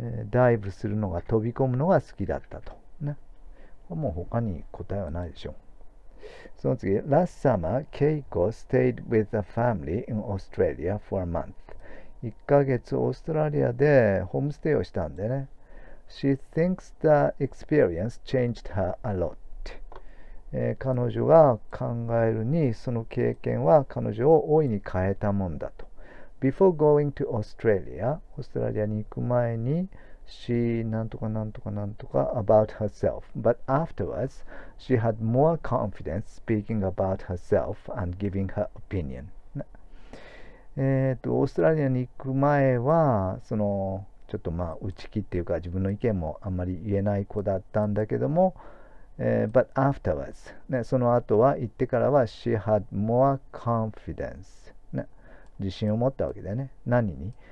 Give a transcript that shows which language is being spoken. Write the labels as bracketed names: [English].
[Japanese] ダイブするのが、飛び込むのが好きだったと。ね。もう他に答えはないでしょう。その次、 [English] Last summer, Keiko stayed with a family in Australia for a month. [Japanese] 1ヶ月オーストラリアでホームステイをしたんでね。 [English] She thinks the experience changed her a lot. [Japanese] 彼女が考えるに、その経験は彼女を大いに変えたもんだと。 [English] Before going to Australia, [Japanese] オーストラリアに行く前に、 [English] She [Japanese] なんとかなんとかなんとか [English] about herself, but afterwards she had more confidence speaking about herself and giving her opinion.、 [Japanese] ね、オーストラリアに行く前は、その、ちょっとまあ、内気っていうか、自分の意見もあんまり言えない子だったんだけども、 [English] but afterwards、 [Japanese] ね、その後は、行ってからは、 [English] she had more confidence、 [Japanese] ね、自信を持ったわけだよね。何に？